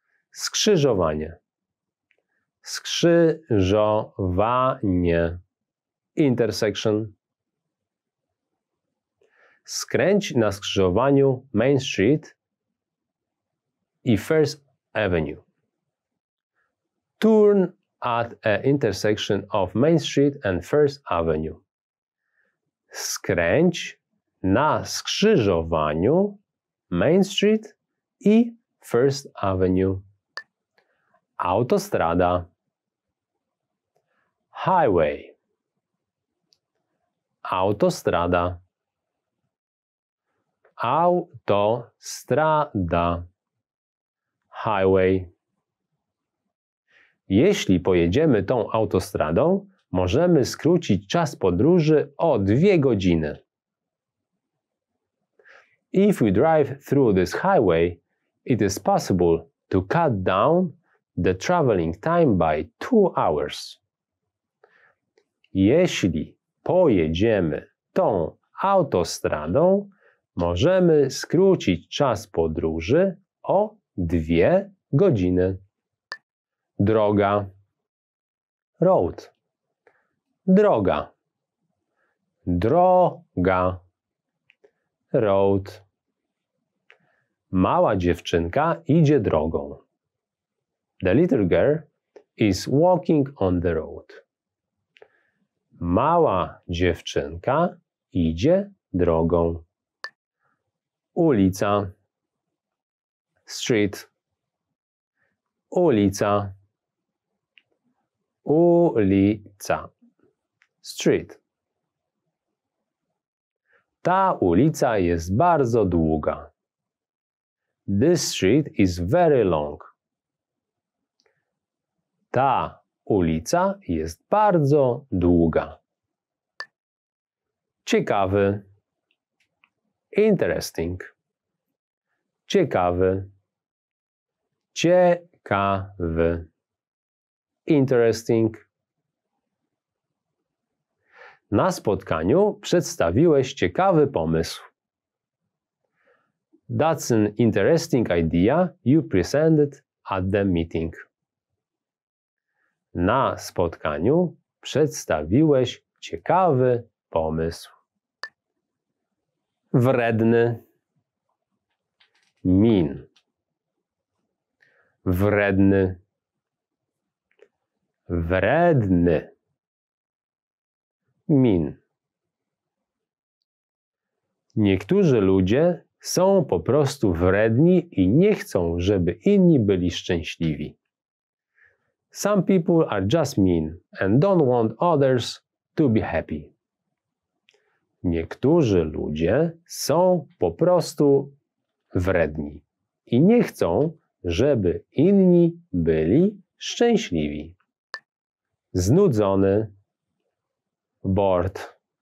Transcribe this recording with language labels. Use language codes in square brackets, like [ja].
[pl] Skrzyżowanie. Skrzyżowanie. [en] Intersection. [pl] Skręć na skrzyżowaniu Main Street i First Avenue. [en] Turn at a intersection of Main Street and First Avenue. [pl] Skręć na skrzyżowaniu Main Street i First Avenue. Autostrada. [en] Highway. [pl] Autostrada. Autostrada. [en] Highway. [pl] Jeśli pojedziemy tą autostradą, możemy skrócić czas podróży o 2 godziny. [en] If we drive through this highway, it is possible to cut down the traveling time by 2 hours. [pl] Jeśli pojedziemy tą autostradą, możemy skrócić czas podróży o 2 godziny. Droga. [en] Road. [pl] Droga. Droga. [en] Road. [pl] Mała dziewczynka idzie drogą. [en] The little girl is walking on the road. [pl] Mała dziewczynka idzie drogą. Ulica. [en] Street. [pl] Ulica. Ulica. [en] Street. [pl] Ta ulica jest bardzo długa. [en] This street is very long. [pl] Ta ulica jest bardzo długa. Ciekawy. [en] Interesting. [pl] Ciekawy. Ciekawy. [en] Interesting. [pl] Na spotkaniu przedstawiłeś ciekawy pomysł. [en] That's an interesting idea you presented at the meeting. [pl] Na spotkaniu przedstawiłeś ciekawy pomysł. Wredny. [en] Mean. [pl] Wredny. Wredny. [en] Mean. [pl] Niektórzy ludzie są po prostu wredni i nie chcą, żeby inni byli szczęśliwi. [en] Some people are just mean and don't want others to be happy. [pl] Niektórzy ludzie są po prostu wredni i nie chcą, żeby inni byli szczęśliwi. Znudzony. [en] Bored.